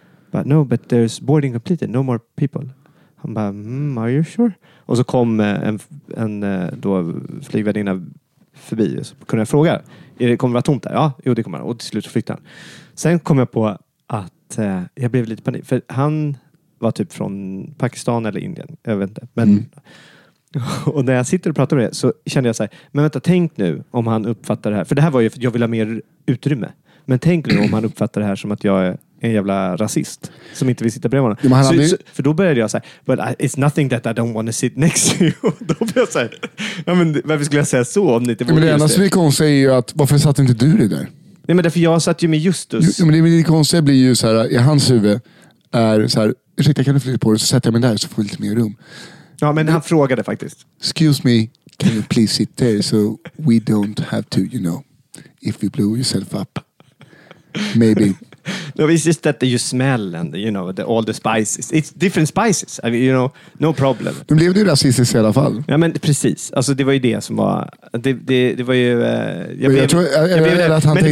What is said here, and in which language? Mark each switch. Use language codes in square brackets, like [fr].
[en] But no, but there's boarding completed, no more people. [sv] Han bara, [en] are you sure? [sv] Och så kom en då flygvärdinna förbi och så kunde jag fråga, kommer det vara tomt där? Ja, jo det kommer. Och till slut flyttade han. Sen kom jag på att jag blev lite panik, för han var typ från Pakistan eller Indien. Jag vet inte. Men, och när jag sitter och pratar med det så kände jag så här, men vänta, tänk nu om han uppfattar det här. För det här var ju för att jag vill ha mer utrymme. Men tänk nu om han uppfattar det här som att jag är en jävla rasist. Som inte vill sitta bredvid honom. Ja, för då började jag säga, [en] but it's nothing that I don't want to sit next to you. [sv] Då började jag säga, ja, men varför skulle jag säga så om ni inte vore, men det enda som vi kom säger ju att, varför satt inte du dig där? Nej, men därför jag satt ju med Justus. Ja, men det konstiga blir ju så här, i hans huvud är så här, ursäkta, kan du flytta på det? Så sätter jag mig där så får vi lite mer rum. Ja, men han frågade faktiskt. [en] Excuse me, can you please sit there so we don't have to, you know, if you blew yourself up. Maybe. No, it's just that you smell and, you know, all the spices. It's different spices. I mean, you know, no problem. [sv] Du blev ju rasistisk i alla fall. Ja, men precis. Alltså, det var ju det som var... Det var ju...